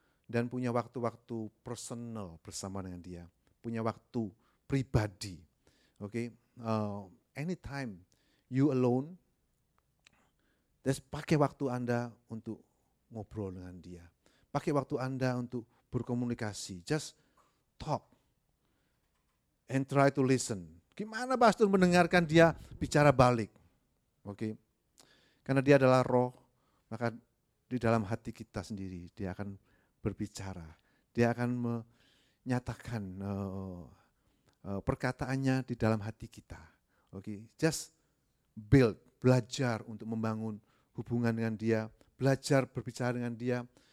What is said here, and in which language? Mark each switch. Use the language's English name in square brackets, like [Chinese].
[Indonesian] Dan punya waktu-waktu personal bersama dengan Dia. Punya waktu pribadi. Okay? [English] Anytime you alone, [Indonesian] terus pakai waktu Anda untuk ngobrol dengan Dia. Pakai waktu Anda untuk berkomunikasi. [English] Just talk and try to listen. [Indonesian] Gimana pastor mendengarkan Dia bicara balik? Okay? Karena Dia adalah roh, maka di dalam hati kita sendiri Dia akan berbicara, Dia akan menyatakan perkataannya di dalam hati kita. [English] Okay, just build, [Indonesian] belajar untuk membangun hubungan dengan Dia, belajar berbicara dengan Dia.